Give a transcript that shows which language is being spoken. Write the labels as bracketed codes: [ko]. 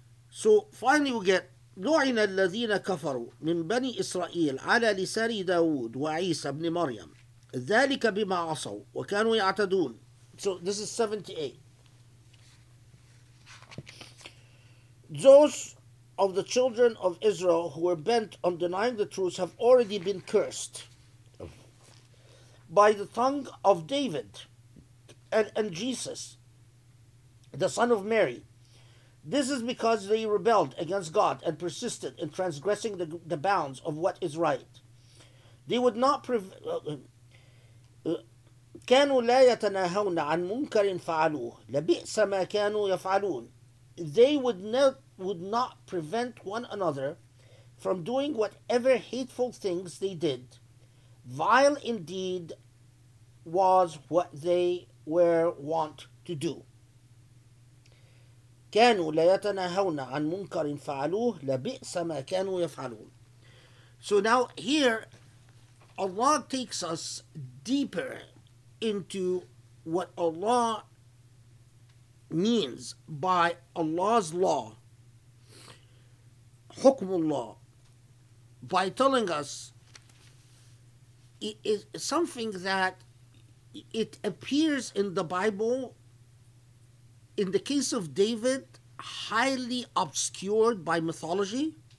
[en] So finally we get, [ar] لعن الذين كفروا من بني إسرائيل على لسان داود وعيسى بن مريم ذلك بما عصوا وكانوا يعتدون. [en] So this is 78. Those of the children of Israel who were bent on denying the truth have already been cursed by the tongue of David and Jesus, the son of Mary. This is because they rebelled against God and persisted in transgressing the bounds of what is right. They would not [ar] كانوا لا يتناهون عن منكر فعلوه لبئس ما كانوا يفعلون. [en] They would not prevent one another from doing whatever hateful things they did. Vile indeed was what they were wont to do. [ar] كانوا لا يتناهون عن منكر فعلوه لبئس ما كانوا يفعلون. [en] So now here, Allah takes us deeper into what Allah means by Allah's law, hukmullah, by telling us it is something that it appears in the Bible, in the case of David, highly obscured by mythology.